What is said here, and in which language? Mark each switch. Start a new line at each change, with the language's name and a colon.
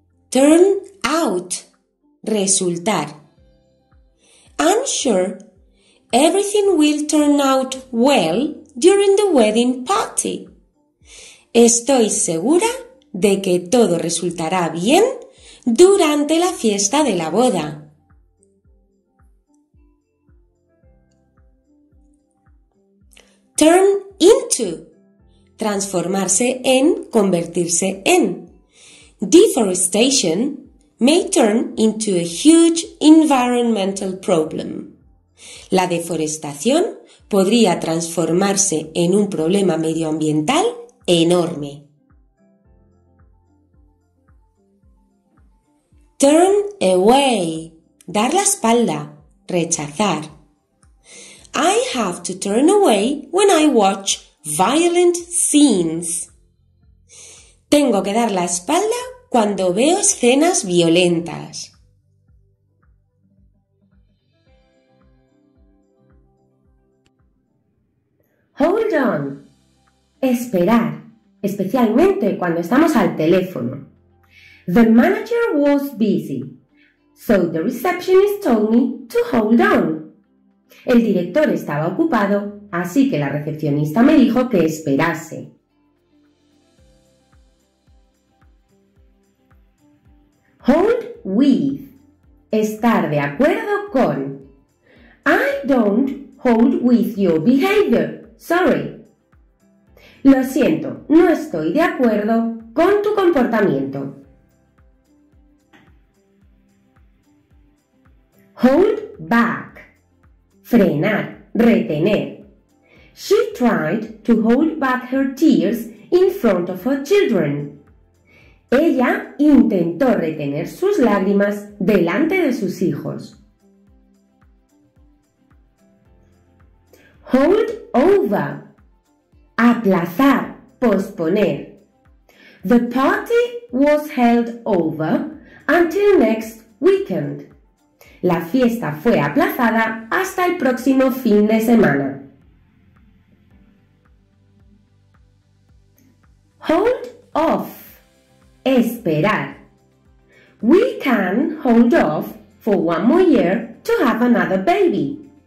English: Turn out.
Spanish: Resultar.
English: I'm sure everything will turn out well during the wedding party.
Spanish: Estoy segura de que todo resultará bien durante la fiesta de la boda.
English: Turn into.
Spanish: Transformarse en, convertirse en.
English: Deforestation may turn into a huge environmental problem.
Spanish: La deforestación podría transformarse en un problema medioambiental enorme.
English: Turn away.
Spanish: Dar la espalda. Rechazar.
English: I have to turn away when I watch violent scenes.
Spanish: Tengo que dar la espalda cuando veo escenas violentas.
English: Hold on.
Spanish: Esperar, especialmente cuando estamos al teléfono.
English: The manager was busy, so the receptionist told me to hold on.
Spanish: El director estaba ocupado, así que la recepcionista me dijo que esperase.
English: Hold with.
Spanish: Estar de acuerdo con.
English: I don't hold with your behavior. Sorry.
Spanish: Lo siento, no estoy de acuerdo con tu comportamiento.
English: Hold back.
Spanish: Frenar, retener.
English: She tried to hold back her tears in front of her children.
Spanish: Ella intentó retener sus lágrimas delante de sus hijos.
English: Hold over.
Spanish: Aplazar, posponer.
English: The party was held over until next weekend.
Spanish: La fiesta fue aplazada hasta el próximo fin de semana.
English: Hold off.
Spanish: Esperar.
English: We can hold off for one more year to have another baby.